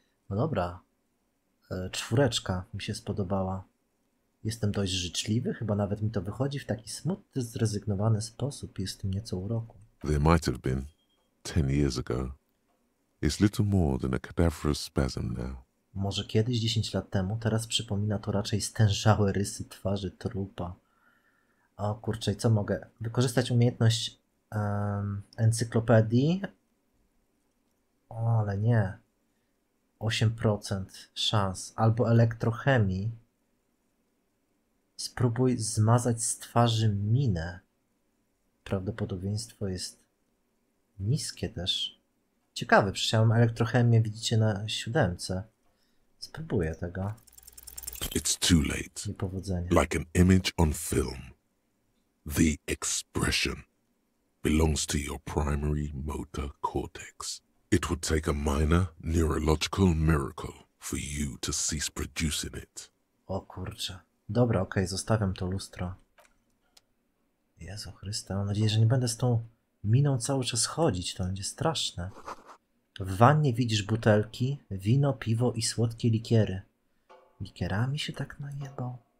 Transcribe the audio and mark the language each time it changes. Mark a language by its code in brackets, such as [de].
[pl] No dobra. Czwóreczka mi się spodobała. Jestem dość życzliwy, chyba nawet mi to wychodzi w taki smutny, zrezygnowany sposób. Jestem nieco uroku. [en] There might have been 10 years ago. It's little more than a cadaverous spasm now. [pl] Może kiedyś 10 lat temu, teraz przypomina to raczej stężałe rysy twarzy trupa. O kurczę, co mogę? Wykorzystać umiejętność encyklopedii? O, ale nie. 8% szans. Albo elektrochemii. Spróbuj zmazać z twarzy minę. Prawdopodobieństwo jest niskie też. Ciekawe, przecież ja mam elektrochemię, widzicie, na 7. Spróbuję tego. [en] It's too late. [pl] Niepowodzenie. [en] Like an image on film. The expression belongs to your primary motor cortex. It would take a minor neurological miracle for you to cease producing it. [pl] O kurczę. Dobra, okej, zostawiam to lustro. Jezu Chryste, mam nadzieję, że nie będę z tą miną cały czas chodzić. To będzie straszne. W wannie widzisz butelki, wino, piwo i słodkie likiery. Likierami się tak najebał.